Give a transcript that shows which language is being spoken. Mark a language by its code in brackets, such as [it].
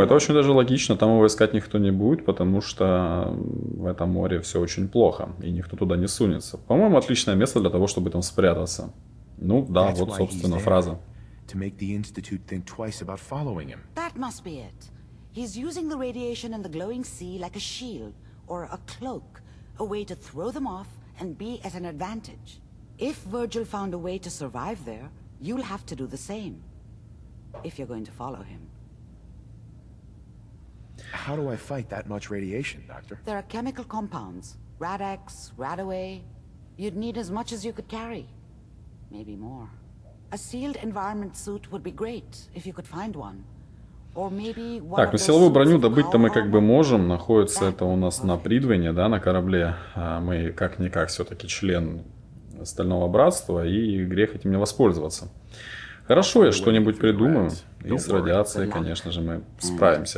[ru] Это очень даже логично, там его искать никто не будет, потому что в этом море все очень плохо, и никто туда не сунется. По-моему, отличное место для того, чтобы там спрятаться. Ну да, вот, собственно, фраза. [en] That must be it. He's using the radiation and the glowing sea like a shield or a cloak, a way to throw them off and be at an advantage. If Virgil found a way to survive there, you'll have to do the same. If you're going to follow him. How do I fight that much radiation, doctor? There are chemical compounds. Radex, Radaway. You'd need as much as you could carry. Maybe more. A sealed environment suit would be great, if you could find one. Or maybe one. [ru] Так, ну силовую броню добыть-то мы как бы можем. Находится это у нас на Придвине, да, на корабле. А мы как-никак все-таки член Стального Братства, и грех этим не воспользоваться. Хорошо, я что-нибудь придумаю. И с радиацией, конечно же, мы справимся.